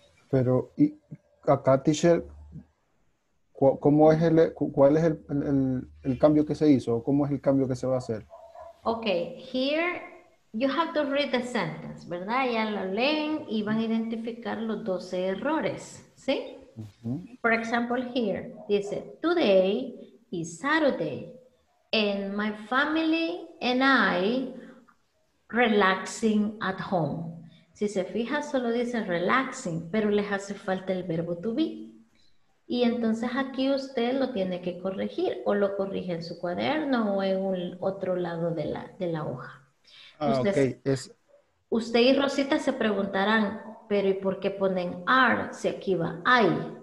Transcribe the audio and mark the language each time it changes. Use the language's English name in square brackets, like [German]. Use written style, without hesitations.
[Spanish] Pero y acá, teacher, ¿cómo es el, cuál es el cambio que se hizo? ¿Cómo es el cambio que se va a hacer? [English] Okay, here you have to read the sentence, [Spanish] ¿verdad? Ya lo leen y van a identificar los 12 errores, ¿sí? Uh-huh. [English] For example, here, [Spanish] dice, [English] today is Saturday and my family and I relaxing at home. [Spanish] Si se fija, solo dice relaxing, pero les hace falta el verbo to be. Y entonces aquí usted lo tiene que corregir, o lo corrige en su cuaderno o en un otro lado de la hoja. Usted y Rosita se preguntarán, pero ¿y por qué ponen are si aquí va I?